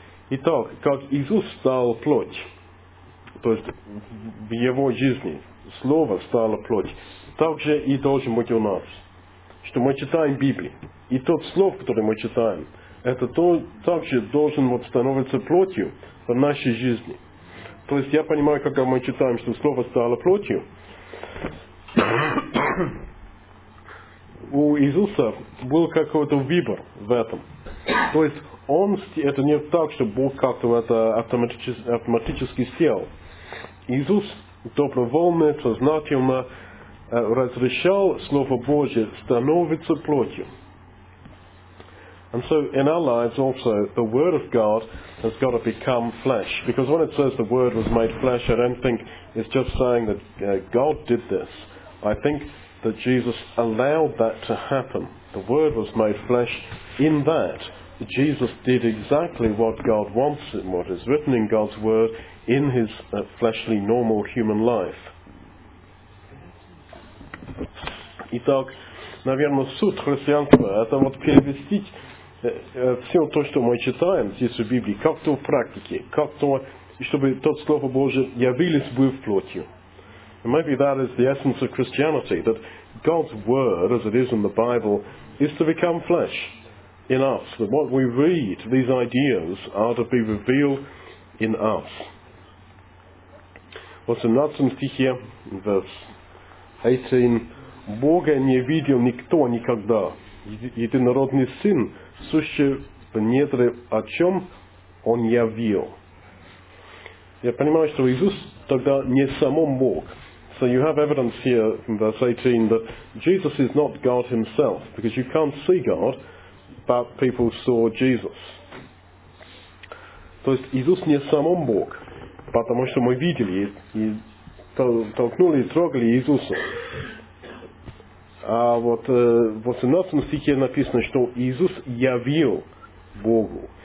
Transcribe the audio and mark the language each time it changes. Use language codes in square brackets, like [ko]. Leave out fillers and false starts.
[ru] Итак, как Иисус стал плоть, то есть в его жизни Слово стало плоть, так же и должен быть у нас, что мы читаем Библию, и тот Слово, который мы читаем, это то, так же должен вот становиться плотью в нашей жизни. То есть я понимаю, когда мы читаем, что Слово стало плотью, у Иисуса был какой-то выбор в этом. То есть Он, это не так, что Бог как-то это автоматически сделал. Иисус добровольно, сознательно разрешал Слово Божие становиться плотью. [en] And so in our lives also, the Word of God has got to become flesh. Because when it says the Word was made flesh, I don't think it's just saying that God did this. I think that Jesus allowed that to happen. The Word was made flesh in that. Jesus did exactly what God wants and what is written in God's Word in his fleshly, normal human life. [ru] Итак, наверное, суть христианства – это вот перевести все то, что мы читаем здесь в Библии, как-то в практике, как-то, чтобы тот Слово Божие явилось бы в плотью. [en] And maybe that is the essence of Christianity, that God's Word, as it is in the Bible, is to become flesh. In us, that what we read, these ideas are to be revealed in us. [ru] Вот в 17 стихе, [en] verse 18, [ru] Бога не видел никто никогда. Единородный Сын, сущий в недре, о чем Он явил. Я понимаю, что Иисус тогда не самом Бог. [en] So you have evidence here in verse 18 that Jesus is not God himself, because you can't see God. But people saw Jesus. [ru] То есть Иисус не самом Бог, потому что мы видели и толкнули и трогали Иисуса. А вот в 18 стихе написано, что Иисус явил Богу.